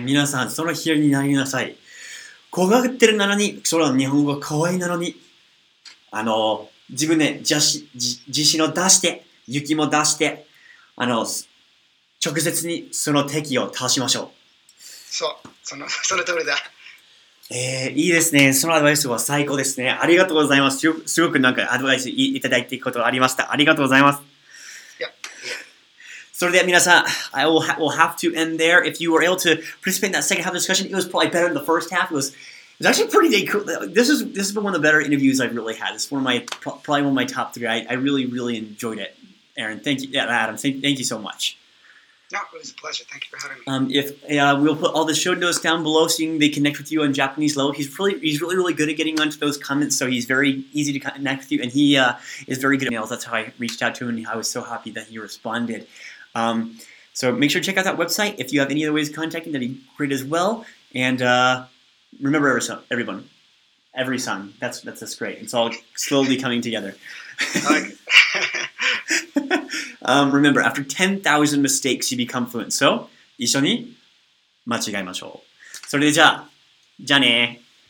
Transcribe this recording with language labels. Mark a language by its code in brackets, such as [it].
[ja] 皆さん、そのヒーローになりなさい。怖がってるなのに、その日本語可愛いなのに、あの、自分で自信を出して、雪も出して、あの、直接にその敵を倒しましょう。そう、その通りだ。いいですね。そのアドバイスは最高ですね。ありがとうございます。すごくなんかアドバイスいただいていくことがありました。ありがとうございます。それでは皆さん、 [en] I will we'll have to end there. If you were able to participate in that second half discussion, it was probably better than the first half. It was actually pretty day cool. This has been one of the better interviews I've really had. It's one of my probably one of my top three. I really, really enjoyed it, Aaron. Thank you, Adam. Thank you so much. Yeah. No, it was a pleasure. Thank you for having me. We'll put all the show notes down below so you can connect with you on Japanese level. He's really good at getting onto those comments, so he's very easy to connect with you, and he is very good at emails. That's how I reached out to him, and I was so happy that he responded. So make sure to check out that website. If you have any other ways of contacting, that'd be great as well. And remember, everyone, every son. That's just great. It's all slowly coming together. remember, after 10,000 mistakes, you become fluent. [ja] So, 一緒に間違いましょう。それでじゃあ、じゃあね。